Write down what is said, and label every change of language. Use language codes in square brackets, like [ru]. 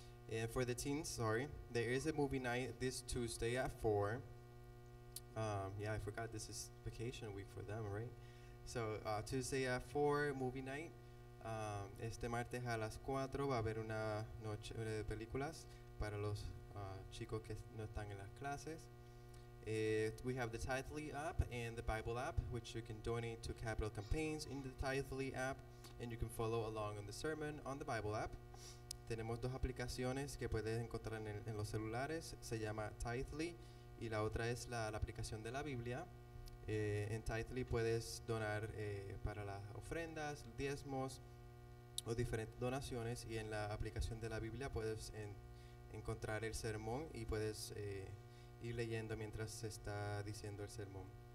[en] And for the teens, there is a movie night this Tuesday at 4. Yeah, I forgot this is vacation week for them, right? So Tuesday at 4, movie night. [es] Este martes a las 4 va a haber una noche de películas para los chicos que no están en las clases. [en] We have the Tithely app and the Bible app, which you can donate to Capital Campaigns in the Tithely app, and you can follow along on the sermon on the Bible app. [es] Tenemos dos aplicaciones que puedes encontrar en los celulares. Se llama Tithely. Y la otra es la aplicación de la Biblia. En Tithely puedes donar para las ofrendas, diezmos o diferentes donaciones. Y en la aplicación de la Biblia puedes encontrar el sermón y puedes ir leyendo mientras se está diciendo el sermón.